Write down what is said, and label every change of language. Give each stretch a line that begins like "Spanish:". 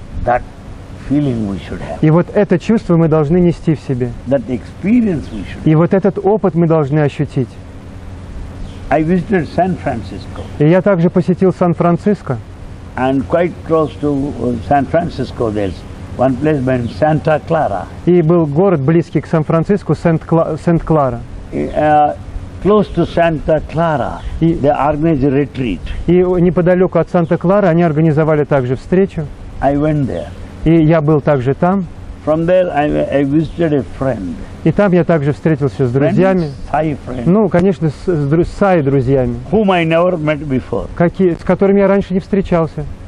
English: That feeling we should have.
Russian: И вот это чувство мы должны нести в себе.
English: That experience we should have.
Russian: И вот этот опыт мы должны ощутить.
English: I visited San Francisco.
Russian: И я также посетил Сан-Франциско.
English: And quite close to San Francisco there's one place named Santa Clara.
Russian: И был город близкий к Сан-Франциско, Сент-Клара.
English: Close to Santa Clara, they organized a retreat.
Russian: И неподалеку от Санта-Клары они организовали также встречу.
English: I went there.
Russian: И я был также там.
English: From there I visited a friend.
Russian: И там я также встретился с друзьями. Ну, конечно, с Сай друзьями.
English: Whom I never met before.
Russian: С которыми я раньше не встречался.